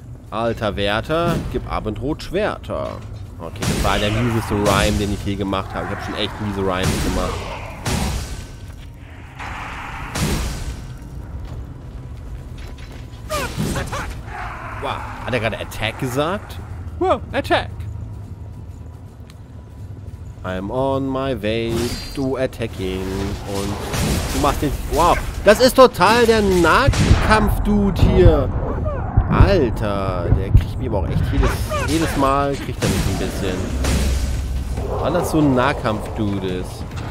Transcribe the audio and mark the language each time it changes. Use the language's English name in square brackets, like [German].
[German] Alter Wärter, gib Abendrotschwerter. Okay, das war der mieseste Rhyme, den ich je gemacht habe. Ich habe schon echt miese Rhyme gemacht. Wow, hat er gerade Attack gesagt? [English] Wow, Attack! I'm on my way to attacking. [German] Und du machst den... Wow, das ist total der Nahkampf-Dude hier. Alter, der kriegt mich aber auch echt jedes Mal, kriegt er mich ein bisschen. Weil das so ein Nahkampf-Dude ist.